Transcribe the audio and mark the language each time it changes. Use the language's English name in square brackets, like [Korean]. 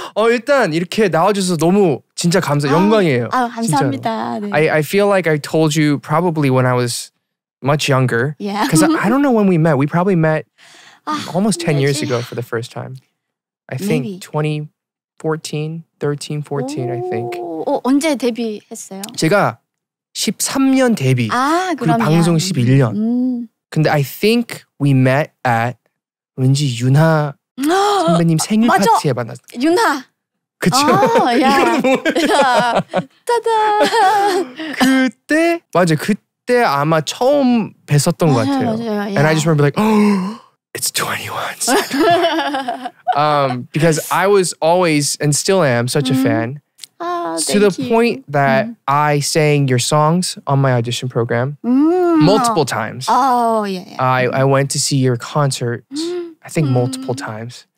[Korean] 일단 이렇게 나와줘서 너무 진짜 감사해요. 영광이에요. 아, 감사합니다. 네. [English] I feel like I told you probably when I was much younger. Yeah. Because I don't know when we met. We probably met almost 10 years ago for the first time. I think Maybe. 2014, 13, 14 오, I think. [Korean] 언제 데뷔했어요? 제가 13년 데뷔. 아, 그럼요. 그리고 방송 11년. 근데 [English] I think we met at [Korean] 왠지 윤하… 선배님 생일 맞아. 파티에 만났어. 윤하. 그쵸? 짜잔. 그때 맞아. 그때 아마 처음 뵀었던 것 같아요. 맞아요. Yeah. [English] And I just remember like, oh, it's 21. because I was always and still am such a fan. Oh, thank to the you. Point that I sang your songs on my audition program multiple times. Oh yeah. Yeah. I went to see your concert. I think multiple times.